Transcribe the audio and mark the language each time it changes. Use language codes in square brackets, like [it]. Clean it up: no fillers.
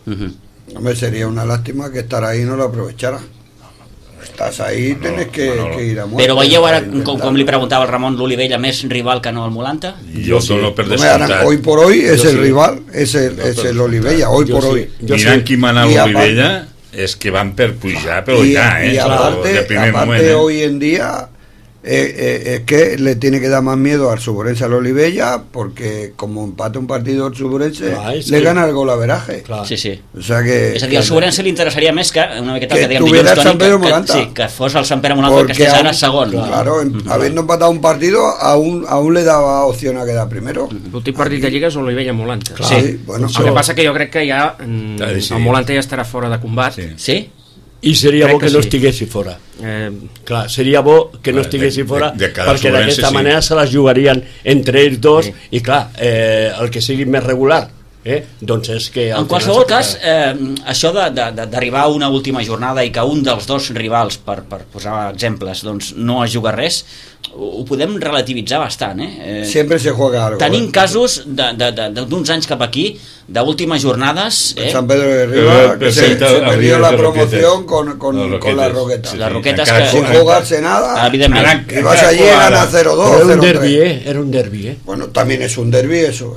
[ca] Uh-huh. Home, seria una làstima que estar ahí no l'aprovechara. Estàs ahí, tens que ir a mort. Però veieu ara, com li preguntava el Ramon, l'Olivella més rival que no el Molanta? Jo sí. Dono per descomptat. Home, ara, [es] hoy por hoy, [ca] és el rival, és l'Olivella, hoy por hoy. Mirant qui mana l'Olivella... és que van per pujar, però [es] aparte hoy en día es que le tiene que dar más miedo al Suburense a l'Olivella, porque como empate un partido al Suburense, le gana el golaveraje. Sí. [ca] El Suburense li interessaria més que una miqueta [es] que tuviera el Sant Pere Molanta, [ca] que fos el Sant Pere Molanta, que estigués ara segon. [es] Claro, habiendo empatado un partido, aún le daba opción a quedar primero. [ca] L'últim partit de Lliga és l'Olivella Molanta. Sí, bueno, el que passa que jo crec que ja el Molanta ja estarà fora de combat. Sí. I seria bo que no estiguessi fora. Clar, seria bo que no estiguessi fora, perquè d'aquesta manera se les jugarien entre ells dos, i clar, el que sigui més regular, doncs és que... En qualsevol cas, això d'arribar a una última jornada i que un dels dos rivals, per posar exemples, doncs no es juga res, ho podem relativitzar bastant, [es] Sempre se juega algo. [ca] Tenim casos d'uns anys cap aquí, d'últimes jornades, [es] Sant Pedro de Riba, que se perdió la promoció con la Roqueta. [ca] La Roqueta és [es] que... Sin jugarse nada, i vas allí a ganar 0-2, 0-3. [ca] Era un derbi. [es] Bueno, también es un derbi, eso.